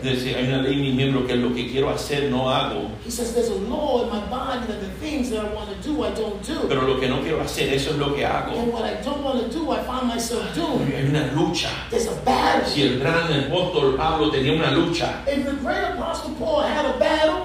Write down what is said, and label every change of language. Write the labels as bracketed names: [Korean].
[Spanish] Decía, hay una ley en mis miembros que lo que quiero hacer no hago. [English] He says there's a law in my body that the things that I want to do I don't do. [Spanish] Pero lo que no quiero hacer eso es lo que hago. [English] And what I don't want to do I find myself doing. [Spanish] Hay una lucha. [English] There's a battle. [Spanish] Si el gran apóstol Pablo tenía una lucha. [English] If the great apostle Paul had a battle.